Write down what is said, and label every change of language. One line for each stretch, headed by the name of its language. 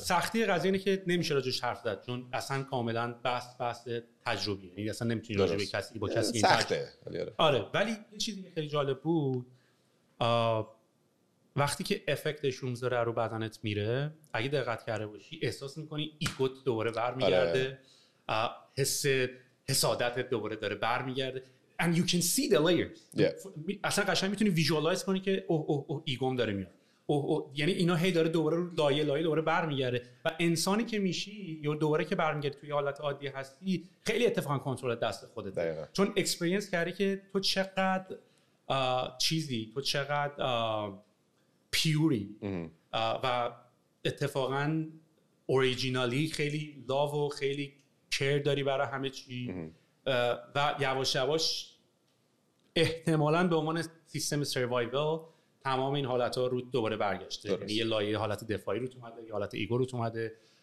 Persian: سختی قضیه اینه که نمیشه راجعش حرف زد، چون اصلا کاملا بحث تجربی، یعنی اصلا نمیتونی راجع به کسی با کسی سخته تجربه. آره، ولی یه چیزی که خیلی جالب بود وقتی که افکتش رو میذاره رو بدنت میره، اگه دقت کرده باشی احساس میکنی ایگوت دوباره برمیگرده، آره. حس حسادتت دوباره داره برمیگرده،
English: and you can see the layers.
Persian: اصلا قشنگ میتونی ویژوالایز کنی که اوه اوه اوه ایگوم داره میاد، اوه اوه، یعنی اینا هی داره دوباره رو لایه لایه دوباره برمیگرده. و انسانی که میشی یا دوباره که برمیگردی توی حالت عادی هستی، خیلی اتفاقا کنترل دست خودت، دقیقا. چون اکسپریانس کردی که تو چقدر چیزی، تو چقدر پیوری و اتفاقا اوریجینالی، خیلی لاو و خیلی کیر داری برای همه چی و یواش یواش احتمالاً به عنوان سیستم سروایوول تمام این حالت ها رو دوباره برگشته، یعنی یه لایه حالت دفاعی رو اومده، یه حالت ایگو رو اومده.